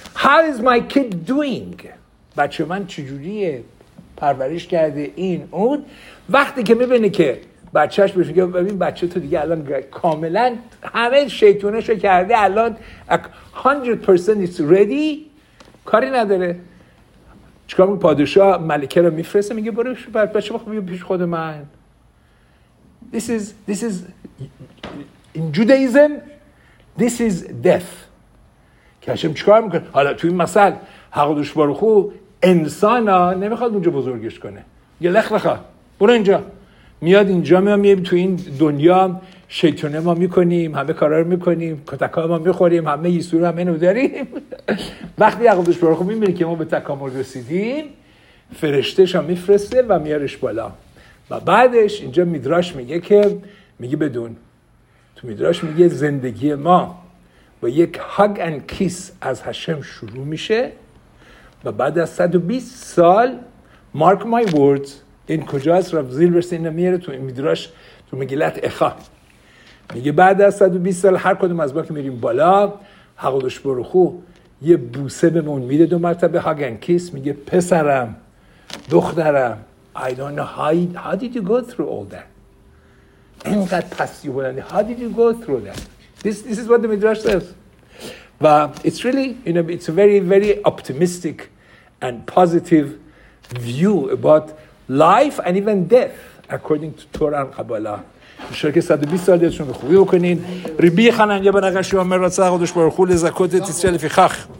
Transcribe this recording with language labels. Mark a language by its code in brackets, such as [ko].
[en] How is my kid doing؟ [fa] بچه من چجوریه؟ پرورش کرده این اون؟ وقتی که میبینه که بچهش بهش میگه ببین بچه تو دیگه الان کاملا همه شیطونش رو کرده، الان [en] 100% is ready، [fa] کاری نداره. چکار میکنه؟ پادشاه ملکه رو میفرسته میگه برو بچه بخواه بیو پیش خود من. [en] This is in Judaism this is death. [fa] که هشم چکار میکنه؟ حالا توی این مثل حقدوش بارخو انسان ها نمیخواد اونجا بزرگش کنه، یه لخ لخه برو اینجا، میاد اینجا، میاد توی این دنیا شیطانه ما میکنیم، همه کارها رو میکنیم، کتکای ما میخوریم، همه یسور هم اینو داریم. وقتی یعقوب دوش برخو میبینی که ما به تکامل رسیدیم، فرشتش هم میفرسته و میارش بالا. و بعدش اینجا میدراش میگه که میگه بدون تو میدراش میگه زندگی ما با یک هاگ اند کیس از هشم شروع میشه و بعد از 120 سال [en] mark my words [fa] این کجاست؟ رب زیل برسه اینو میاره تو میدراش تو مگیلت اخا میگه بعد از 120 سال هر کدوم از ما که میریم بالا حقودش برخو یه بوسه به من میده دو مرتبه هاگ اند کیس، میگه پسرم دخترم [en] I don't know how did you go through all that، [fa] اینقدر پستی بلنده، [en] how did you go through that، this is what the midrash says. و it's really you know it's a very very optimistic and positive view about life and even death according to Torah and Kabbalah. [fa] شرکه 120 سال دیتشون به خوبی بکنین. ربی خنن یه بنگشی و مرد سه قدش بار خول زکوت تیسیل فی خخ.